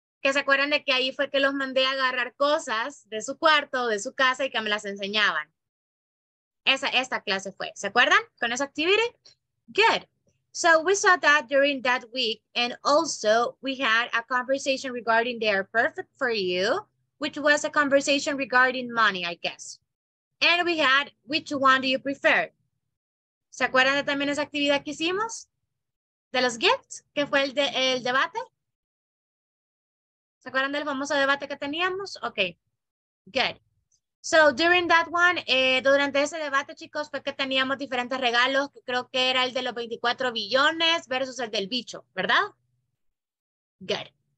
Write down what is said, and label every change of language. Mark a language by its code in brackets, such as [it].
[es] ¿Que se acuerdan de que ahí fue que los mandé a agarrar cosas de su cuarto, de su casa y que me las enseñaban? Esta clase fue. ¿Se acuerdan con esa activity? [en] Good. So we saw that during that week, and also we had a conversation regarding they are perfect for you, which was a conversation regarding money, I guess. And we had which one do you prefer? [es] ¿Se acuerdan de también esa actividad que hicimos? De los gifts, que fue el debate. ¿Se acuerdan del famoso debate que teníamos? [en] Ok, good. So, during that one, [es] durante ese debate, chicos, fue que teníamos diferentes regalos, que creo que era el de los 24 billones versus el del bicho, ¿verdad? [en] Good.